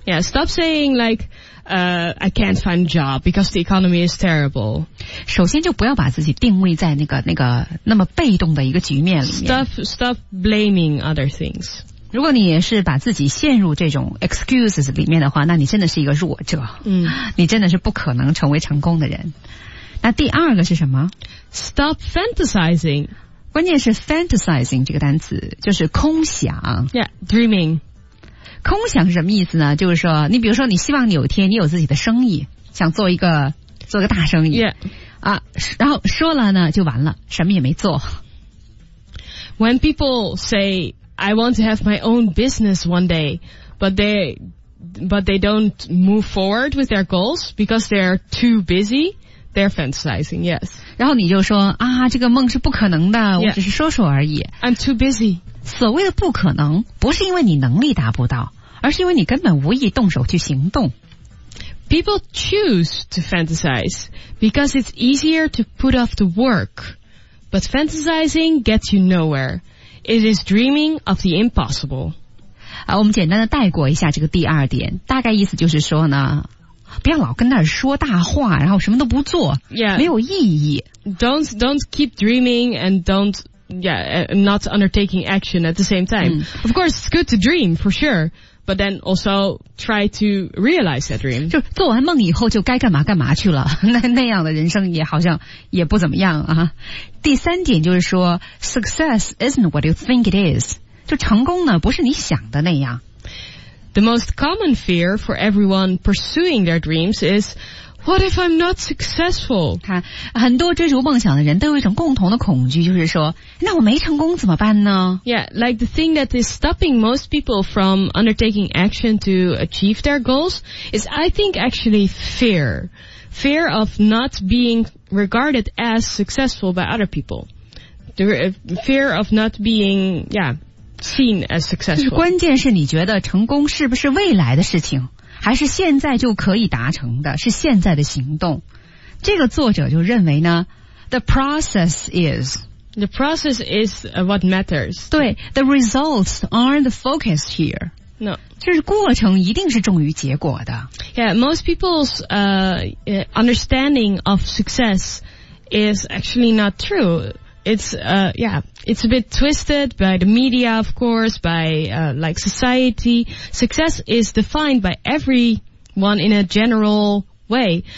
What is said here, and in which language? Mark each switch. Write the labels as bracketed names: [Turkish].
[English] Yeah, stop saying like, I can't find a job because the economy is terrible. [Chinese] 首先就不要把自己定位在那个那么被动的一个局面里面。 [English] Stop blaming other things. [Chinese] 如果你也是把自己陷入这种 excuses 里面的话，那你真的是一个弱者。嗯，你真的是不可能成为成功的人。那第二个是什么？ [English] Stop fantasizing. [Chinese] 关键是 fantasizing 这个单词，就是空想。 [English] Yeah, dreaming. [Chinese] 空想是什么意思呢？就是说，你比如说，你希望你有一天你有自己的生意，想做个大生意。 [English] Yeah. [Chinese] 啊，然后说了呢，就完了，什么也没做。 [English] When people say,I want to have my own business one day, but they don't move forward with their goals because they're too busy. They're fantasizing, yes. [Chinese] 然后你就说啊，这个梦是不可能的， [English] yeah. [Chinese] 我只是说说而已。 [English] I'm too busy. [Chinese] 所谓的不可能，不是因为你能力达不到，而是因为你根本无意动手去行动。 [English] People choose to fantasize because it's easier to put off the work, but fantasizing gets you nowhere. It is dreaming of the impossible. [Chinese] 啊，我们简单的带过一下这个第二点，大概意思就是说呢，不要老跟那儿说大话，然后什么都不做， [English] yeah. [Chinese] 没有意义。 [English] Don't keep dreaming and not undertaking action at the same time.、嗯、 of course, it's good to dream for sure, but then also try to realize that dream. [Chinese] 就做完梦以后就该干嘛干嘛去了，那样的人生也好像也不怎么样啊。第三点就是说 [English] ,success isn't what you think it is. [Chinese] 就成功呢不是你想的那样。 [English] The most common fear for everyone pursuing their dreams is, What if I'm not successful? [Chinese] 看，很多追逐梦想的人都有一种共同的恐惧，就是说，那我没成功怎么办呢？ [English] Yeah, like the thing that is stopping most people from undertaking action to achieve their goals is, I think, actually fear. Fear of not being regarded as successful by other people. Fear of not being, seen as successful. [Chinese] 关键是你觉得成功是不是未来的事情？还是现在就可以达成的，是现在的行动。这个作者就认为呢 [English] The process is what matters. 对 The results aren't the focus here. No. [Chinese] 就是过程一定是重于结果的。 [English] Yeah, most people's understanding of success is actually not true. It's a bit twisted by the media, of course, by, like society. Success is defined by everyone in a general way.